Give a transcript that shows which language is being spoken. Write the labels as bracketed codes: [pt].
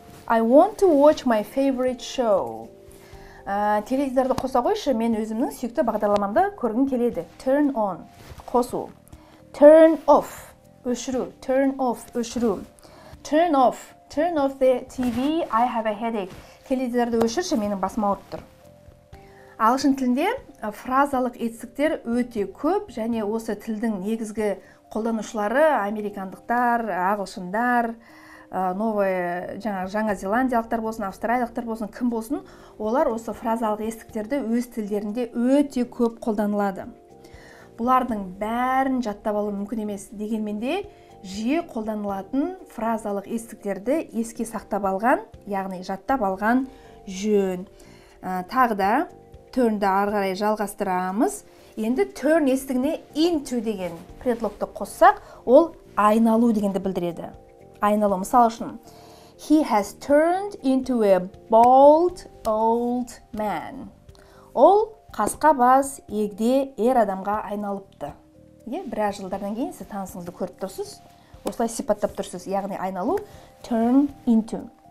[en] I want to watch my favorite show. [kk] Теледидарды қоса қойшы, мен өзімнің сүйікті бағдарламамды көргім келеді. [en] Turn on, қосу. Turn off, өшіру. Turn off the TV, I have a headache. [kk] Теледидарды өшірші, менің басым ауырып тұр. Ағылшын тілінде фразалық етістіктер өте көп, және осы тілдің негізгі қолданушылары американдықтар, ағылшындар, жаңа зеландиялықтар болсын, австралиялықтар болсын, кім болсын, олар осы фразалық етістіктерді өз тілдерінде өте көп қолданылады. Бұлардың бәрін жаттап алу мүмкін емес, дегенмен де жиі қолданылатын фразалық етістіктерді еске сақтап алған, яғни жаттап алған жөн. Тағы да turn-ді ары қарай жалғастырамыз. Енді turn етістігіне into деген предлогты қоссақ, ол айналу дегенді білдіреді. Айналу, мысал үшін, [en] he has turned into a bald old man. [kk] Ол қасқа бас егде ер адамға айналыпты. Біраз жылдардан кейін сіз танысыңызды көріп тұрсыз, осылай сипаттап тұрсыз, яғни айналу, turn into.